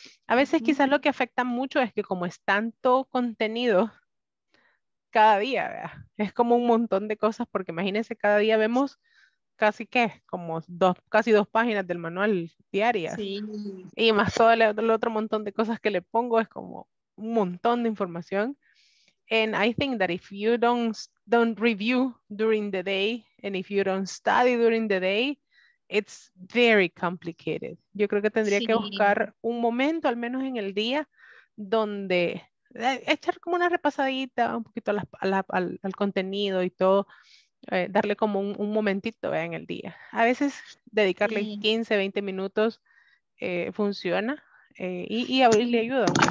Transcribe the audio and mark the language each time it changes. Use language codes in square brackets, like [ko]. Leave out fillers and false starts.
[es] A veces quizás lo que afecta mucho es que como es tanto contenido cada día, ¿verdad? Es como un montón de cosas, porque imagínense, cada día vemos casi que como casi dos páginas del manual diarias. Sí. Y más todo el otro montón de cosas que le pongo, es como un montón de información. [en] And I think that if you don't review during the day, and if you don't study during the day, it's very complicated. [es] Yo creo que tendría que buscar un momento, al menos en el día, donde echar como una repasadita un poquito al contenido y todo, darle como un momentito en el día. A veces dedicarle 15, 20 minutos funciona y a le ayuda.